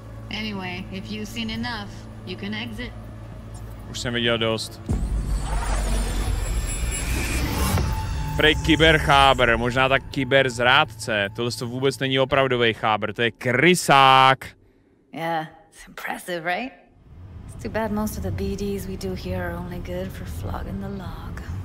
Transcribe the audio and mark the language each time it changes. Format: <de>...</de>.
<en>Anyway, if you've seen enough, you can exit.</en> <cs>Už jsem viděl dost. Prej kyberchábr, možná tak kyberzrádce. Tohle to vůbec není opravdový chábr, to je krysák.</cs> <en>Yeah, it's impressive, right? It's too bad most of the BDs we do here are only good for flogging the log.</en>